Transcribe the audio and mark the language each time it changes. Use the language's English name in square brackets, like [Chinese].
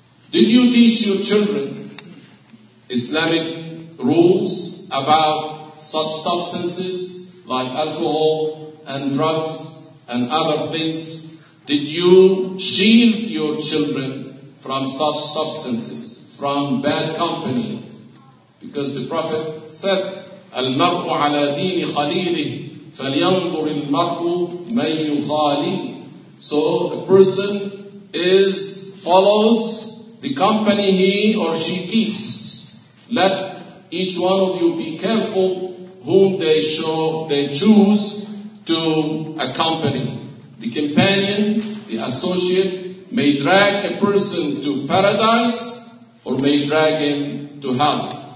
[English] Did you teach your children Islamic rules about such substances like alcohol and drugs and other things? Did you shield your children from such substances, from bad company? Because the Prophet said, [Arabic] الْمَرْءُ عَلَى دِينِ خَلِيلِهِ فَلْيَنْظُرِ الْمَرْءُ مَنْ يُخَالِيهِ. [English] So a person follows the company he or she keeps. Let each one of you be careful whom they choose to accompany. The companion, the associate, may drag a person to paradise or may drag him to hell.